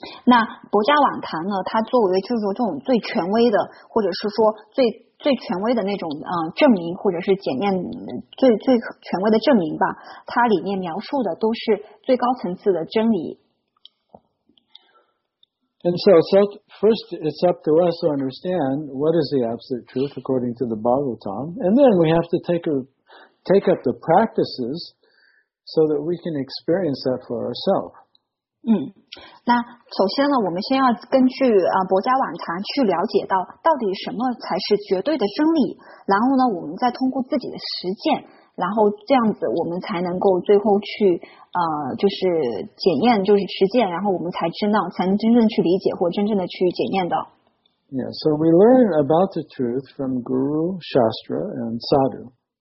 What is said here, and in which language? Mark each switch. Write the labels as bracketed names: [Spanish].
[Chinese] 那博迦网坛呢，它作为就是说这种最权威的，或者是说最权威的那种证明，或者是检验最权威的证明吧，它里面描述的都是最高层次的真理。 [English] And so, first it's up to us to understand what is the absolute truth according to the Bhagavatam, and then we have to take up the practices so that we can experience that for ourselves. [Chinese] 那首先呢，我们先要根据博迦网坛去了解到到底什么才是绝对的真理，然后呢，我们再通过自己的实践，然后这样子我们才能够最后去就是检验，就是实践，然后我们才知道，才能真正去理解或真正的去检验的。 [English] Yeah, so we learn about the truth from Guru, Shastra, and Sadhu.